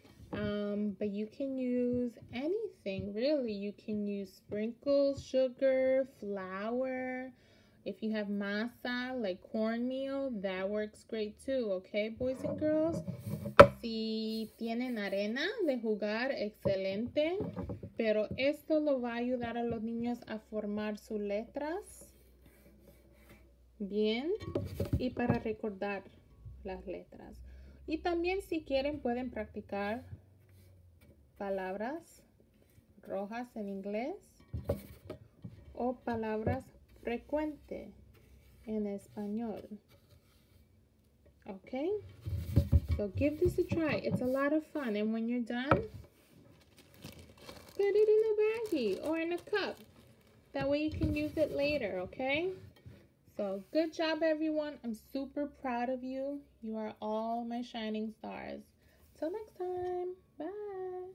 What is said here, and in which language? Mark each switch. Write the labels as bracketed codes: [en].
[en] But you can use anything, really. You can use sprinkles, sugar, flour. If you have masa, like cornmeal, that works great too, okay, boys and girls? [es] Si tienen arena de jugar, excelente. Pero esto lo va a ayudar a los niños a formar sus letras bien y para recordar las letras. Y también, si quieren, pueden practicar palabras rojas en inglés o palabras frecuente en español. [en] Okay? So give this a try. It's a lot of fun. And when you're done, put it in a baggie or in a cup. That way you can use it later, okay? So good job, everyone. I'm super proud of you. You are all my shining stars. Till next time. Bye.